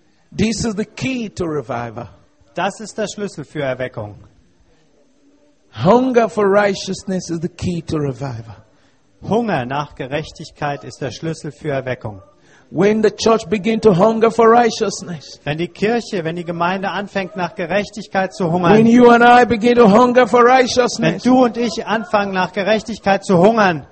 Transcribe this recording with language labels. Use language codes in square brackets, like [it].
[en] This is the key to revival. [de] Das ist der Schlüssel für Erweckung. [en] Hunger for righteousness is the key to revival. [de] Hunger nach Gerechtigkeit ist der Schlüssel für Erweckung. [en] When the church begins to hunger for righteousness. [de] Wenn die Kirche, wenn die Gemeinde anfängt nach Gerechtigkeit zu hungern. [en] When you and I begin to hunger for righteousness. [de] Wenn du und ich anfangen nach Gerechtigkeit zu hungern.